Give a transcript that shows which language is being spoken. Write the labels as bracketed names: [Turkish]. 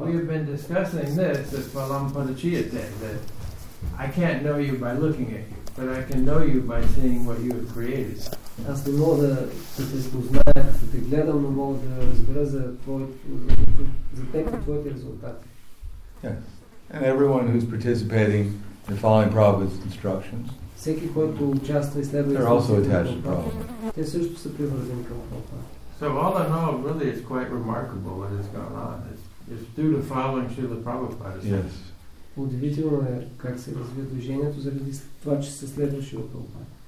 [English] We have been discussing this at Palam Panachiyate, that I can't know you by looking at you, but I can know you by seeing what you have created. [Bulgarian] Аз не мога да се спознаят, да те гледам, но мога да разбера за твоите резултати. [English] Yes. And everyone who's participating and following Prabhupada's instructions. [Bulgarian] Всеки, който участва и следва, [English] they're also attached to Prabhupada. [Bulgarian] Те също са привързани към Прабхупада. [English] So all in all, really, it's quite remarkable what has gone on. It's due to following Srila Prabhupada. Yes. [Bulgarian] Удивително е как се развива движението заради това, че се следва Шрила Прабхупада.